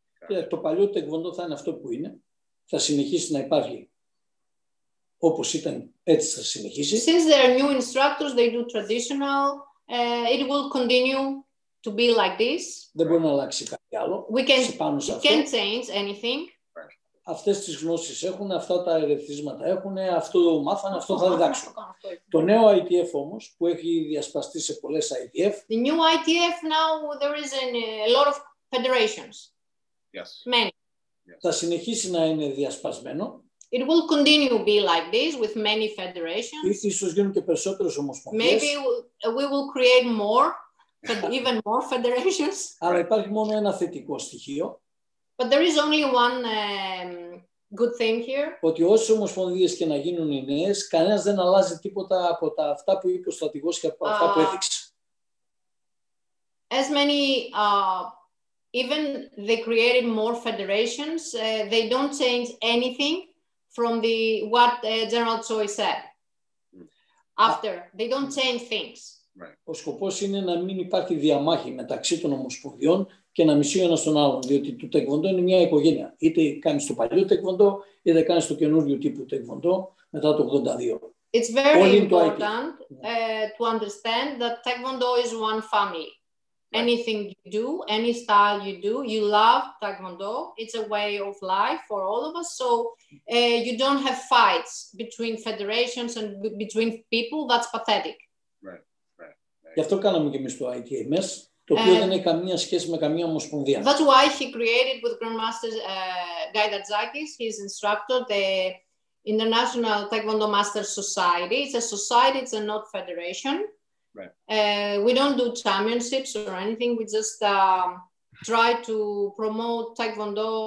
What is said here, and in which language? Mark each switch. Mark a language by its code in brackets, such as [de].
[el] Yeah, το παλιό Taekwondo θα είναι αυτό που είναι. Θα συνεχίσει να υπάρχει όπως ήταν, έτσι θα συνεχίσει. [en] Since there are new instructors, they do traditional, it will continue to be like this. [el] Δεν μπορεί να αλλάξει κάτι άλλο. [en] We can change anything. [el] Αυτές τις γνώσεις έχουν, αυτά τα ερεθίσματα έχουν, αυτό μάθανε, αυτό θα διδάξουν. Το νέο ITF όμως, που έχει διασπαστεί σε πολλές ITF. [en] The new ITF now, there is a lot of federations. Yes. Many. Yes. [el] Θα συνεχίσει να είναι διασπασμένο. [en] It will continue to be like this with many federations. [el] Ίσως γίνουν και περισσότερες ομοσπονδίες. [en] Maybe we will create more, even more federations. [el] Αλλά υπάρχει μόνο ένα θετικό στοιχείο. [en] But there is only one good thing here. [el] Ότι όσες ομοσπονδίες και να γίνουν οι νέες, κανένας δεν αλλάζει τίποτα από τα αυτά που είπε ο στρατηγός και από αυτά που έδειξε. [en] As many, even they created more federations, they don't change anything from the what General Choi said. After, they don't change things. Right. [el] Ο σκοπός είναι να μην υπάρχει διαμάχη μεταξύ των ομοσπονδιών και να μισεί ο ένας τον άλλον, διότι το Taekwondo είναι μια οικογένεια. Είτε κάνεις το παλιό Taekwondo, είτε κάνεις το καινούριο τύπο Taekwondo μετά το 82. [en] It's very all important to, to understand that Taekwondo is one family. Right. Anything you do, any style you do, you love Taekwondo. It's a way of life for all of us. So you don't have fights between federations and between people. That's pathetic. Right. [el] Γι' αυτό κάναμε και εμείς το ITMS. Το οποίο δεν έχει καμία σχέση με καμία ομοσπονδία. [en] That's why he created with Grandmaster Guy Datzakis, his instructor, the International Taekwondo Masters Society. It's a society, it's a not federation. Right. We don't do championships or anything. We just try to promote Taekwondo.